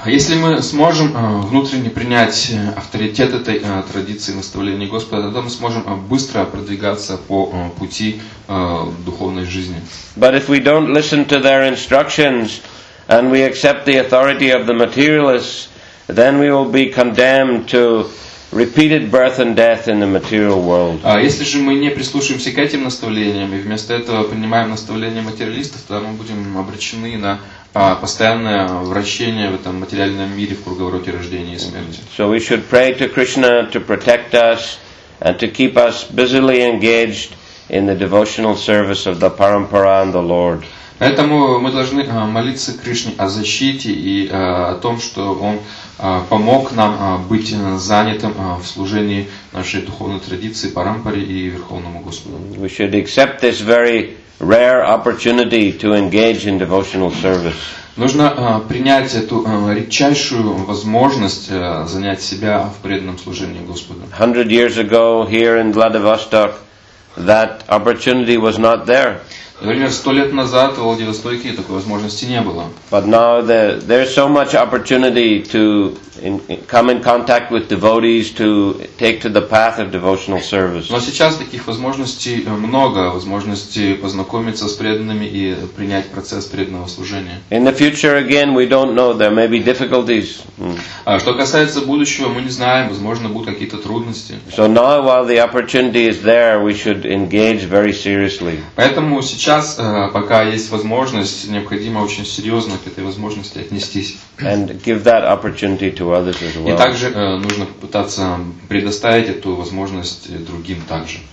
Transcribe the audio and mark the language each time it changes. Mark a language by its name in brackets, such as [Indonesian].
[Russian] Если мы сможем внутренне принять авторитет этой традиции наставления Господа, тогда мы сможем быстро продвигаться по пути духовной жизни. [English] But if we don't listen to their instructions and we accept the authority of the materialists, then we will be condemned to repeated birth and death in the material world. [Russian] Если же мы не прислушаемся к этим наставлениям и вместо этого принимаем наставления материалистов, то мы будем обречены на постоянное вращение в этом материальном мире в круговороте рождения и смерти. [English] So we should pray to Krishna to protect us and to keep us busily engaged in the devotional service of the parampara and the Lord. [Russian] Поэтому мы должны молиться Кришне о защите и о том, что Он помог нам быть занятым в служении нашей духовной традиции, парампаре и Верховному Господу. [English] We should accept this very rare opportunity to engage in devotional service. [Russian] Нужно принять эту редчайшую возможность занять себя в преданном служении Господу. [English] 100 years ago here in Vladivostok, that opportunity was not there. [Russian] Например, 100 лет назад в Владивостоке такой возможности не было. [English] But now there's so much opportunity to come in contact with devotees, to take to the path of devotional service. [Russian] Но сейчас таких возможностей много, возможности познакомиться с преданными и принять процесс преданного служения. [English] In the future, again, we don't know. There may be difficulties. [Russian] А что касается будущего, мы не знаем. Возможно, будут какие-то трудности. [English] So now, while the opportunity is there, we should engage very seriously. [Russian] Поэтому сейчас, пока есть возможность, необходимо очень серьезно к этой возможности отнестись. [English] And give that opportunity to others as well. [Russian] И также нужно попытаться предоставить эту возможность другим также.